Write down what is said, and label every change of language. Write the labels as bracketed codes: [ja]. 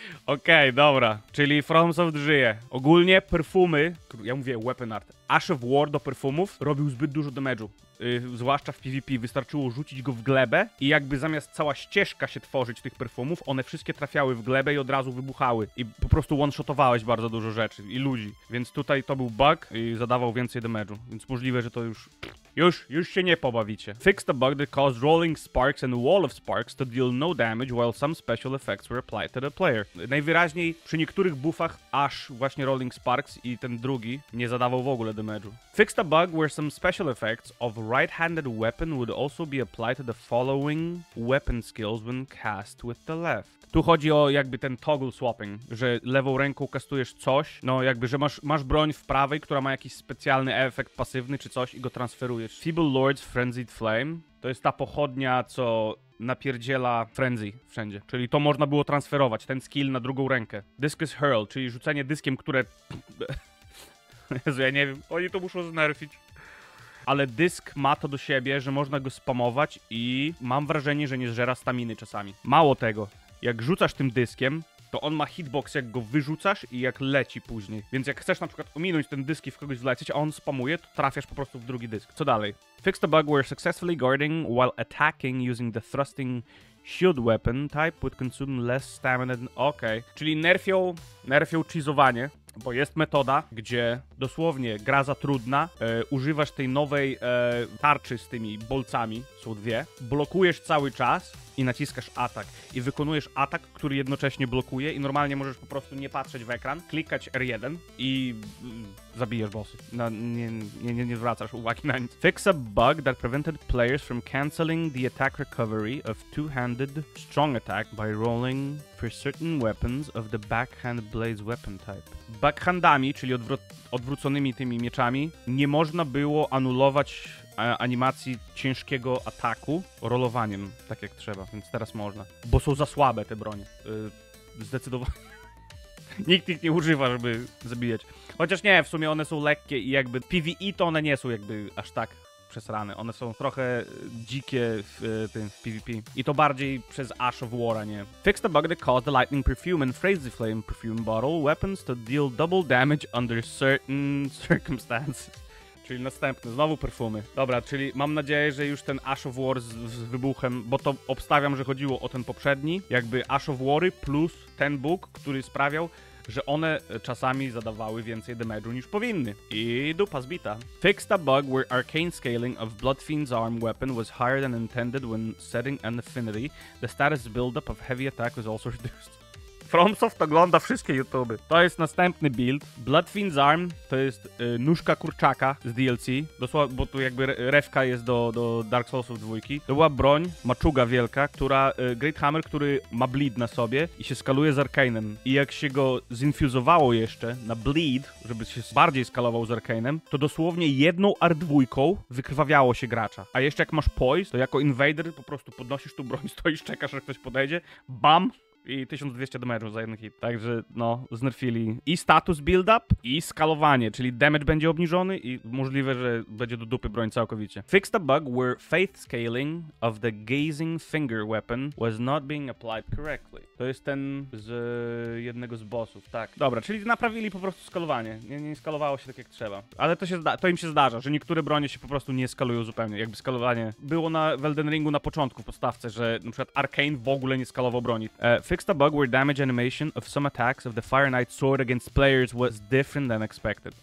[pl] Okej, dobra. Czyli FromSoft żyje. Ogólnie perfumy, ja mówię weapon art, Ash of War do perfumów robił zbyt dużo damage'u. Zwłaszcza w PvP, wystarczyło rzucić go w glebę i jakby zamiast cała ścieżka się tworzyć tych perfumów, one wszystkie trafiały w glebę i od razu wybuchały. I po prostu one-shotowałeś bardzo dużo rzeczy i ludzi. Więc tutaj to był bug i zadawał więcej damage'u. Więc możliwe, że to już... Już się nie pobawicie. [en] Fix the bug that caused rolling sparks and wall of sparks to deal no damage while some special effects were applied to the player. [pl] Najwyraźniej przy niektórych buffach aż właśnie rolling sparks i ten drugi nie zadawał w ogóle damage'u. [en] Fix the bug where some special effects of right-handed weapon would also be applied to the following weapon skills when cast with the left. [pl] Tu chodzi o jakby ten toggle swapping, że lewą ręką kastujesz coś, no jakby, że masz broń w prawej, która ma jakiś specjalny efekt pasywny czy coś i go transferujesz. Feeble Lord's Frenzied Flame to jest ta pochodnia, co napierdziela frenzy wszędzie. Czyli to można było transferować, ten skill na drugą rękę. Discus Hurl, czyli rzucenie dyskiem, które... Jezu, ja nie wiem, oni to muszą znerfić. Ale dysk ma to do siebie, że można go spamować i mam wrażenie, że nie zżera staminy czasami. Mało tego. Jak rzucasz tym dyskiem, to on ma hitbox, jak go wyrzucasz i jak leci później. Więc jak chcesz na przykład ominąć ten dysk i w kogoś wlecieć, a on spamuje, to trafiasz po prostu w drugi dysk. Co dalej? [en] Fix the bug where successfully guarding while attacking using the thrusting shield weapon type would consume less stamina than... [pl] Okej. Okay. Czyli nerfią cheezowanie, bo jest metoda, gdzie dosłownie gra za trudna, używasz tej nowej tarczy z tymi bolcami, są dwie, blokujesz cały czas i naciskasz atak. I wykonujesz atak, który jednocześnie blokuje i normalnie możesz po prostu nie patrzeć w ekran, klikać R1 i zabijesz bossy. Nie zwracasz uwagi na nic. [en] Fix a bug that prevented players from cancelling the attack recovery of two-handed strong attack by rolling for certain weapons of the backhand blade's weapon type. [pl] Backhandami, czyli odwróconymi tymi mieczami, nie można było anulować animacji ciężkiego ataku rolowaniem, tak jak trzeba, więc teraz można. Bo są za słabe te bronie. Zdecydowanie. Nikt ich nie używa, żeby zabijać. Chociaż nie, w sumie one są lekkie i jakby PvE to one nie są jakby aż tak przesrane. One są trochę dzikie w PvP. I to bardziej przez Ash of War, a nie. [en] Fix the bug that caused the lightning perfume and frenzy flame perfume bottle weapons to deal double damage under certain circumstances. [pl] Czyli następne, znowu perfumy. Dobra, czyli mam nadzieję, że już ten Ash of War z wybuchem, bo to obstawiam, że chodziło o ten poprzedni, jakby Ash of War'y plus ten bug, który sprawiał, że one czasami zadawały więcej damage'u niż powinny. I dupa zbita. [en] Fixed a bug where arcane scaling of Bloodfiend's arm weapon was higher than intended when setting an affinity. The status buildup of heavy attack was also reduced. [pl] FromSoft ogląda wszystkie YouTube. To jest następny build. Bloodfiend's Arm to jest nóżka kurczaka z DLC. Dosłownie, bo tu jakby refka jest do Dark Soulsów dwójki. To była broń, maczuga wielka, która Great Hammer, który ma bleed na sobie i się skaluje z Arcanem. I jak się go zinfuzowało jeszcze na bleed, żeby się bardziej skalował z Arcanem, to dosłownie jedną R2 wykrwawiało się gracza. A jeszcze jak masz poise, to jako invader po prostu podnosisz tu broń, stoisz, czekasz, aż ktoś podejdzie. Bam! I 1200 damage'u za jeden hit. Także, no, znerfili i status build-up, i skalowanie, czyli damage będzie obniżony i możliwe, że będzie do dupy broń całkowicie. [en] Fixed a bug where faith scaling of the gazing finger weapon was not being applied correctly. [pl] To jest ten z jednego z bossów, tak. Dobra, czyli naprawili po prostu skalowanie. Nie skalowało się tak, jak trzeba. Ale to im się zdarza, że niektóre bronie się po prostu nie skalują zupełnie. Jakby skalowanie było na Elden Ringu na początku, w podstawce, że na przykład Arcane w ogóle nie skalował broni. [en] Fixed a bug where damage animation of some attacks of the Fire Knight sword against players was different than expected.